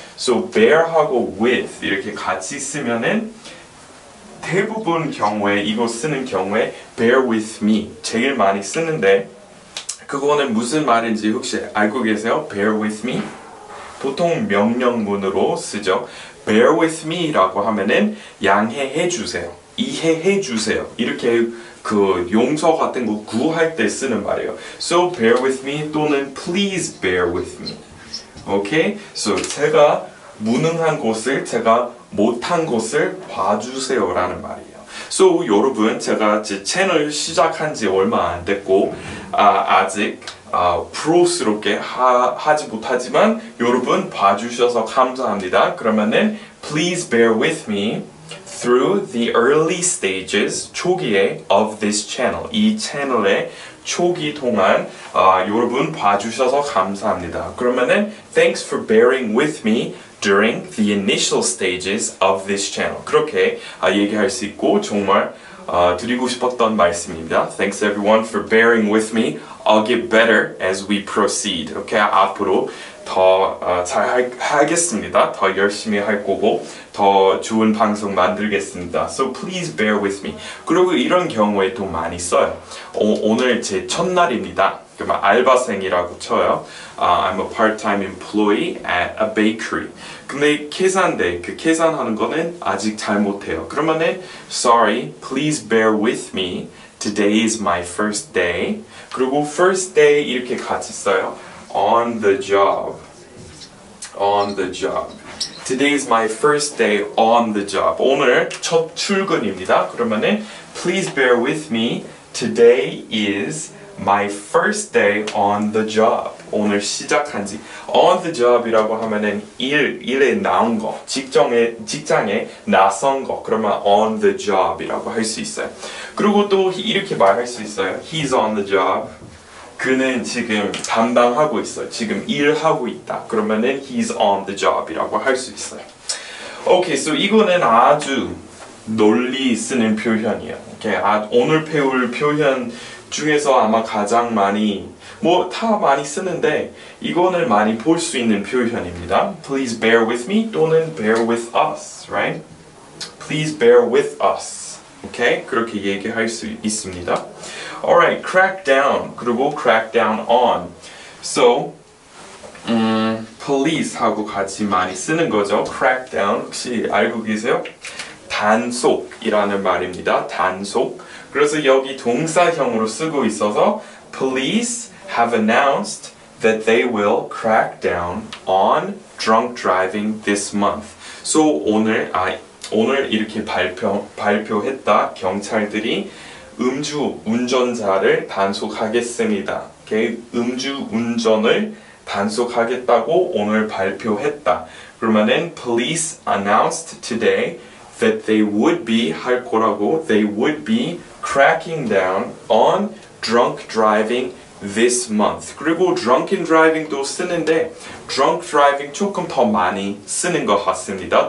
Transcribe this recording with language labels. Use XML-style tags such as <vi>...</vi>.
<ko>So bear하고 with 이렇게 같이 쓰면은 대부분 경우에 이거 쓰는 경우에 bear with me 제일 많이 쓰는데 그거는 무슨 말인지 혹시 알고 계세요? bear with me? 보통 명령문으로 쓰죠. bear with me 라고 하면은 양해해 주세요. 이해해 주세요. 이렇게 그 용서 같은 거 구할 때 쓰는 말이에요.</ko> <en>So bear with me 또는 please bear with me.</en> <ko>오케이? So 제가 무능한 것을 제가 못한 것을 봐주세요 라는 말이에요. So 여러분 제가 제 채널 시작한 지 얼마 안 됐고 아직 프로스럽게 하지 못하지만 여러분 봐주셔서 감사합니다. 그러면은</ko> <en>please bear with me through the early stages</en> <ko>초기에</ko> <en>of this channel</en> <ko>이 채널의 초기 동안 여러분 봐주셔서 감사합니다. 그러면은</ko> <en>thanks for bearing with me during the initial stages of this channel</en> <ko>그렇게 얘기할 수 있고 정말 드리고 싶었던 말씀입니다.</ko> <en>Thanks everyone for bearing with me. I'll get better as we proceed.</en> <ko>이렇게 앞으로 더 잘 하겠습니다. 더 열심히 할 거고 더 좋은 방송 만들겠습니다.</ko> <en>So please bear with me.</en> <ko>그리고 이런 경우에 또 많이 써요. 오늘 제 첫날입니다. 그러면 알바생이라고 쳐요.</ko> <en>I'm a part-time employee at a bakery.</en> <ko>근데 계산대, 그 계산하는 거는 아직 잘 못해요. 그러면은</ko> <en>sorry, please bear with me. Today is my first day.</en> <ko>그리고</ko> <en>first day</en> <ko>이렇게 같이 써요.</ko> <en>On the job. On the job. Today is my first day on the job.</en> <ko>오늘 첫 출근입니다. 그러면은</ko> <en>please bear with me. Today is my first day on the job.</en> <ko>오늘 시작한 지. On the job이라고 하면은 일에 나온 거. 직장에 나선 거. 그러면 on the job이라고 할 수 있어요. 그리고 또 이렇게 말할 수 있어요.</ko> <en>He's on the job.</en> <ko>그는 지금 담당하고 있어. 지금 일하고 있다. 그러면은</ko> <en>he's on the job</en> <ko>이라고 할 수 있어요.</ko> <en>Okay, so</en> <ko>이거는 아주 널리 쓰는 표현이에요. Okay, 오늘 배울 표현 중에서 아마 가장 많이 뭐 다 많이 쓰는데 이거는 많이 볼 수 있는 표현입니다.</ko> <en>Please bear with me</en> <ko>또는</ko> <en>bear with us, right? Please bear with us. Okay?</en> <ko>그렇게 얘기할 수 있습니다.</ko> <en>Alright, crack down.</en> <ko>그리고</ko> <en>crack down on. So, police하고</en> <ko>같이 많이 쓰는 거죠.</ko> <en>Crack down.</en> <ko>혹시 알고 계세요? 단속이라는 말입니다. 단속. 그래서 여기 동사형으로 쓰고 있어서</ko> <en>police have announced that they will crack down on drunk driving this month.</en> <ko>So, 오늘 이렇게 발표했다. 경찰들이 음주 운전자를 단속하겠습니다. 음주 운전을 단속하겠다고 오늘 발표했다. 그러면은</ko> <en>police announced today that they would be</en> <ko>할 거라고</ko> <en>they would be cracking down on drunk driving this month.</en> <ko>그리고 drunken driving도 쓰는데 drunk driving 조금 더 많이 쓰는 것 같습니다.</ko>